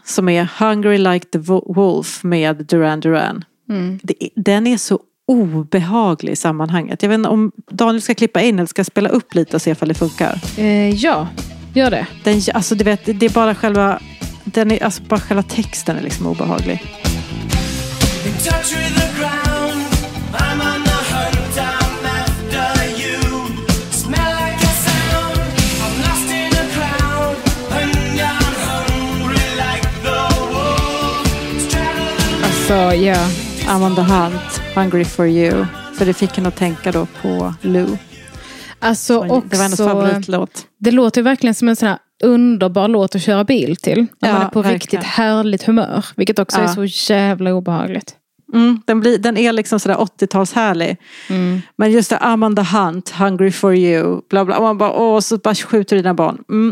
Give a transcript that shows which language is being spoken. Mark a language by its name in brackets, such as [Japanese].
[Swedish] Som är Hungry Like the Wolf med Duran Duran. Den är så obehaglig i sammanhanget. Jag vet inte om Daniel ska klippa in eller ska spela upp lite och se om det funkar. Ja, gör det. Den, alltså du vet, det är bara själva, den är, alltså, bara själva texten är liksom obehaglig. [English] Touch with the ground, I'm on the hunt, I'm after you. Smell like a sound, I'm lost in a crowd, and I'm hungry like the wolf. Alltså, yeah, I'm on the hunt, hungry for you. [Swedish] För det fick henne att tänka då på Lou. Alltså, också, det var hennes favoritlåt. Det låter verkligen som en sån här underbar låt att köra bil till. När man är på riktigt härligt humör. Vilket också är så jävla obehagligt. Den är liksom sådär 80-tals härlig. Men just det, Amanda Hunt, Hungry for you, bla bla. Och man bara, åh, så bara skjuter dina barn.